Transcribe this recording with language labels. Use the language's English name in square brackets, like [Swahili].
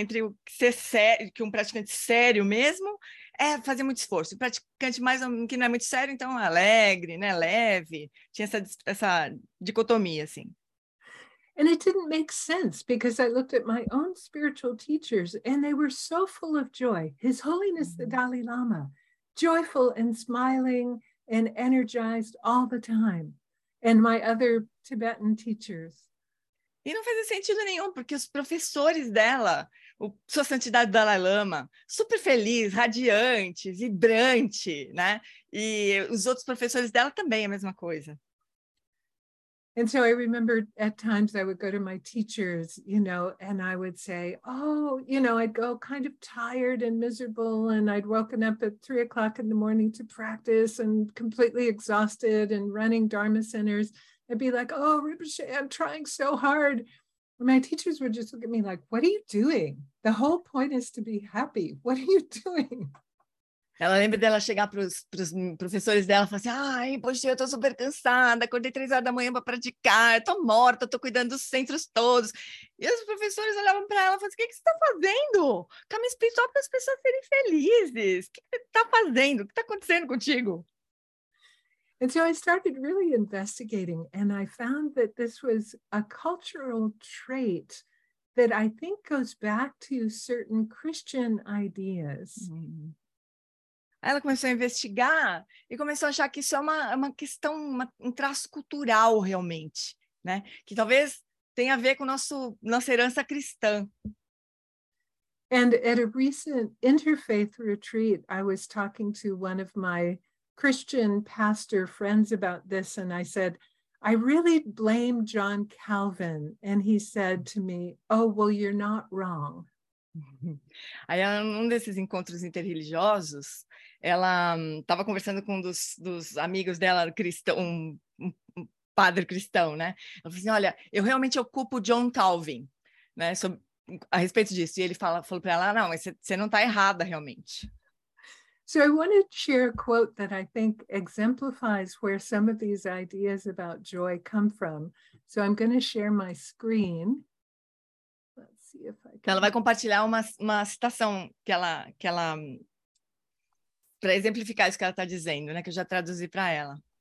[Portuguese] Entre o ser sério, que um praticante sério mesmo é fazer muito esforço. O praticante mais que não é muito sério, então alegre, né? Leve. Tinha essa dicotomia, assim. [English] And it didn't make sense because I looked at my own spiritual teachers and they were so full of joy. His Holiness the Dalai Lama, joyful and smiling and energized all the time. And my other Tibetan teachers. [Portuguese] E não fazia sentido nenhum, porque os professores dela, Sua Santidade Dalai Lama, super feliz, radiante, vibrante, né? E os outros professores dela também a mesma coisa. [English] And so I remember at times I would go to my teachers, you know, and I would say, oh, you know, I'd go kind of tired and miserable and I'd woken up at 3 o'clock in the morning to practice and completely exhausted and running Dharma centers. I'd be like, oh, Rinpoche, I'm trying so hard. And my teachers would just look at me like, what are you doing? The whole point is to be happy. What are you doing? [Portuguese] Ela lembra dela chegar para os professores dela e falar assim, ai, poxa, eu estou super cansada, acordei 3 horas da manhã para praticar, estou morta, estou cuidando dos centros todos. E os professores olhavam para ela e falavam, o que você está fazendo? Caminho espiritual para as pessoas serem felizes. O que você está fazendo? O que está acontecendo contigo? [English] And so I started really investigating and I found that this was a cultural trait that I think goes back to certain Christian ideas. Mm-hmm. [Portuguese] Ela começou a investigar e começou a achar que isso é uma questão, um traço cultural realmente, né? Que talvez tenha a ver com nossa herança cristã. [English] And at a recent interfaith retreat, I was talking to one of my Christian pastor friends about this, and I said, I really blame John Calvin. And he said to me, oh, well, you're not wrong. [Portuguese] Aí, num desses encontros interreligiosos, ela estava conversando com um dos amigos dela, um padre cristão, né? Ela falou assim, olha, eu realmente ocupo John Calvin, né? A respeito disso. E ele falou para ela, não, você não está errada realmente. [English] So I wanted to share a quote that I think exemplifies where some of these ideas about joy come from. So I'm going to share my screen. [Portuguese] Então ela vai compartilhar uma citação que ela para exemplificar isso que ela está dizendo, né? Que eu já traduzi para ela.